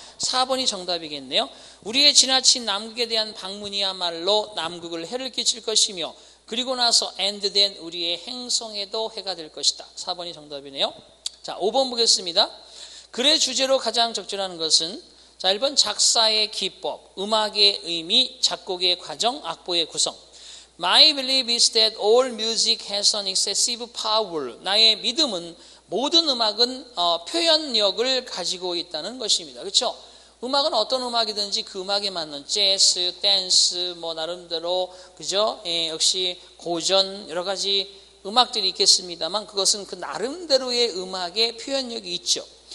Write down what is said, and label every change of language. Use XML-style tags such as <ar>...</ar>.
<ko>4번이 정답이겠네요. 우리의 지나친 남극에 대한 방문이야말로 남극을 해를 끼칠 것이며 그리고 나서 엔드된 우리의 행성에도 해가 될 것이다. 4번이 정답이네요. 자, 5번 보겠습니다. 글의 주제로 가장 적절한 것은 자, 1번 작사의 기법, 음악의 의미, 작곡의 과정, 악보의 구성.</ko> <en>My belief is that all music has an excessive power.</en> <ko>나의 믿음은 모든 음악은 표현력을 가지고 있다는 것입니다. 그렇죠? 음악은 어떤 음악이든지 그 음악에 맞는 재즈, 댄스, 뭐 나름대로 그죠? 예, 역시 고전 여러 가지 음악들이 있겠습니다만 그것은 그 나름대로의 음악의 표현력이 있죠.</ko>